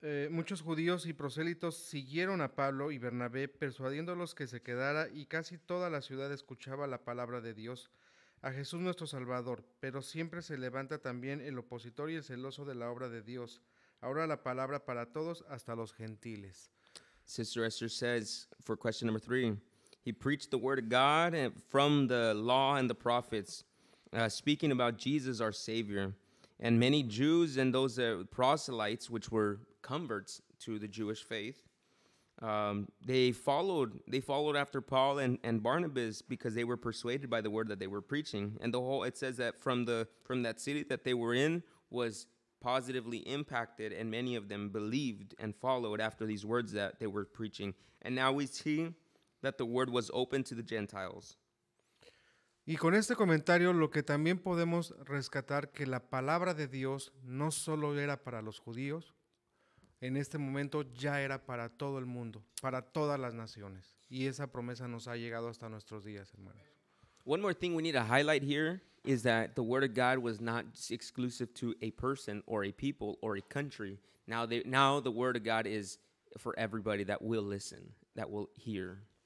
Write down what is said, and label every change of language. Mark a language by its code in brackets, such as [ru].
[es] Muchos judíos y prosélitos siguieron a Pablo y Bernabé persuadiéndolos que se quedara, y casi toda la ciudad escuchaba la palabra de Dios a Jesús nuestro Salvador, pero siempre se levanta también el opositor y el celoso de la obra de Dios. Ahora la palabra para todos hasta los gentiles. [en] Sister Esther says, for question number 3, he preached the word of God from the law and the prophets, speaking about Jesus, our Savior. And many Jews and those proselytes, which were converts to the Jewish faith, they followed after Paul and Barnabas, because they were persuaded by the word that they were preaching. And the whole, it says that from that city that they were in was positively impacted, and many of them believed and followed after these words that they were preaching. And now we see that the word was open to the Gentiles. [es] Y con este comentario, lo que también podemos rescatar, que la palabra de Dios no solo era para los judíos, en este momento ya era para todo el mundo, para todas las naciones. Y esa promesa nos ha llegado hasta nuestros días, hermanos. [en] One more thing we need to highlight here is that the word of God was not exclusive to a person or a people or a country. Now the word of God is for everybody that will listen, that will hear.